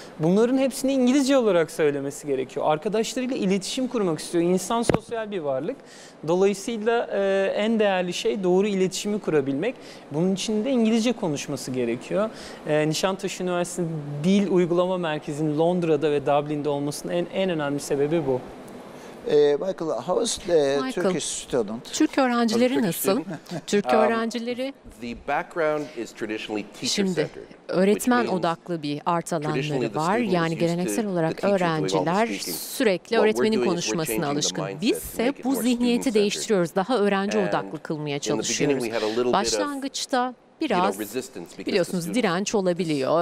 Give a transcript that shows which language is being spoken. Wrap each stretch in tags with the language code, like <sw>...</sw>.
<tr>Bunların hepsini İngilizce olarak söylemesi gerekiyor. Arkadaşlarıyla iletişim kurmak istiyor. İnsan sosyal bir varlık. Dolayısıyla en değerli şey doğru iletişimi kurabilmek. Bunun için de İngilizce konuşması gerekiyor. Nişantaşı Üniversitesi'nin dil uygulama merkezinin Londra'da ve Dublin'de olmasının en önemli sebebi bu.</tr> <en>Michael, how is the Turkish student?</en> <tr>Türk öğrencileri nasıl? Türk öğrencileri...</tr> <en>The background is traditionally teacher-centered.</en> <tr>Öğretmen odaklı bir art alanları var. Yani geleneksel olarak öğrenciler sürekli öğretmenin konuşmasına alışkın. Biz ise bu zihniyeti değiştiriyoruz. Daha öğrenci odaklı kılmaya çalışıyoruz. Başlangıçta biraz biliyorsunuz direnç olabiliyor.</tr>